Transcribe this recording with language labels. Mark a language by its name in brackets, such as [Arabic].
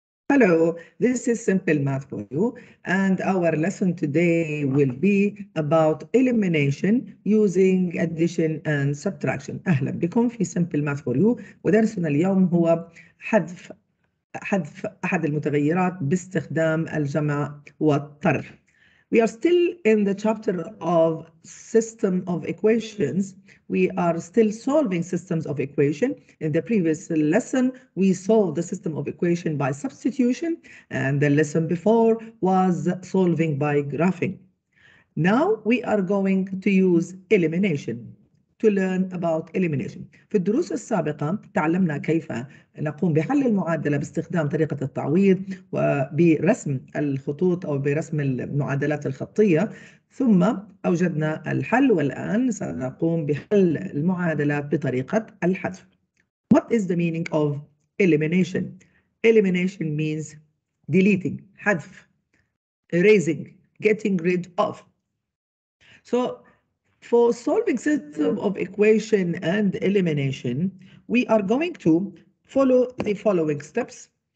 [English] Hello, this is Simple Math for you, and our lesson today will be about elimination using addition and subtraction. [Arabic] أهلا بكم في Simple Math for you. ودرسنا اليوم هو حذف أحد المتغيرات باستخدام الجمع والطرح. [English] We are still in the chapter of system of equations. We are still solving systems of equation. In the previous lesson, we solved the system of equation by substitution, and the lesson before was solving by graphing. Now we are going to use elimination to learn about elimination. [Arabic] في الدروس السابقة تعلمنا كيف نقوم بحل المعادلة باستخدام طريقة التعويض وبرسم الخطوط أو برسم المعادلات الخطية ثم أوجدنا الحل والآن سنقوم بحل المعادلات بطريقة الحذف. [English] What is the meaning of elimination? Elimination means deleting, حذف, erasing, getting rid of. So for solving system of equation and elimination, we are going to follow the following steps.